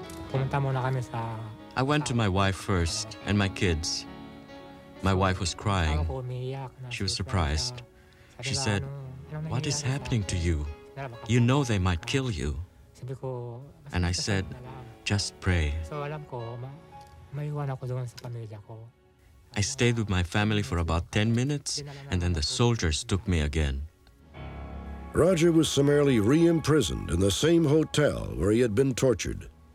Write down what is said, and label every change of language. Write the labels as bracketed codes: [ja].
[tl] Pumunta muna kami sa... [en] I went to my wife first and my kids. My wife was crying. She was surprised. She said, what is happening to you? You know they might kill you. And I said, just pray. [tl] So alam ko, maiwan ako doon sa pamilya ko. [en] I stayed with my family for about 10 minutes, and then the soldiers took me again. Roger was summarily re-imprisoned in the same hotel where he had been tortured.